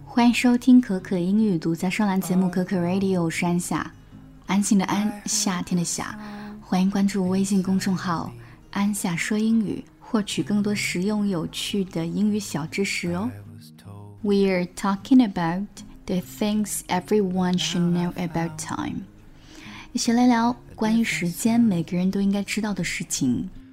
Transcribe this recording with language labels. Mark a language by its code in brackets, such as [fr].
[zh] 欢迎收听可可英语独家双栏节目可可 Radio， 我是安夏，安静的安，夏天的夏。欢迎关注微信公众号安夏说英语，获取更多实用有趣的英语小知识哦。 [en] We're talking about the things everyone should know about time. [zh] 一起来聊关于时间每个人都应该知道的事情。